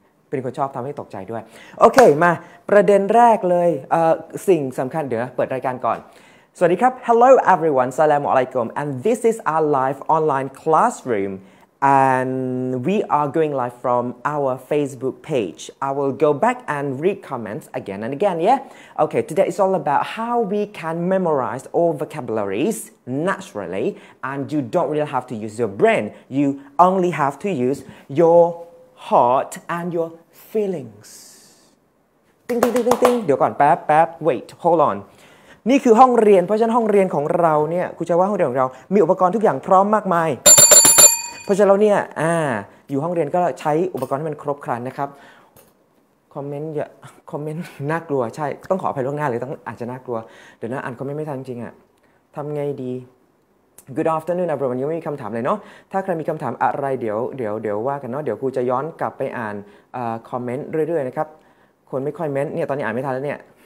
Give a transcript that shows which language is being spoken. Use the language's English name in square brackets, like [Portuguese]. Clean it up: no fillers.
[Thai] เป็นคนชอบทำให้ตกใจด้วยโอเคมาประเด็นแรกเลยสิ่งสำคัญเดี๋ยวเปิดรายการก่อนสวัสดีครับ [English] hello everyone salam alaikum and this is our live online classroomAnd we are going live from our Facebook page. I will go back and read comments again and again, yeah? Okay, today it's all about how we can memorize all vocabularies naturally and you don't really have to use your brain. You only have to use your heart and your feelings. Ding, ding, ding, ding, ding. [Thai] เดี๋ยวก่อน แป๊บ แป๊บ [English] Wait, hold on. [Thai] นี่คือห้องเรียนเพราะฉะนั้นห้องเรียนของเราเนี่ยกูจะว่าห้องเรียนของเรามีอุปกรณ์ทุกอย่างพร้อมมากมายเพราะฉะนั้นเนี่ยอยู่ห้องเรียนก็ใช้อุปกรณ์ให้มันครบครันนะครับคอมเมนต์อย่าคอมเมนต์น่ากลัวใช่ต้องขออภัยล่วงหน้าเลยต้องอาจจะน่ากลัวเดี๋ยวนะอ่านคอมเมนต์ไม่ทันจริงอ่ะทำไงดี [English] Good afternoon everyone [Thai] ยังไม่มีคำถามเลยเนาะถ้าใครมีคำถามอะไรเดี๋ยวว่ากันเนาะเดี๋ยวครูจะย้อนกลับไปอ่านคอมเมนต์เรื่อยๆนะครับคนไม่ค่อยเม้นเนี่ยตอนนี้อ่านไม่ทันแล้วเนี่ย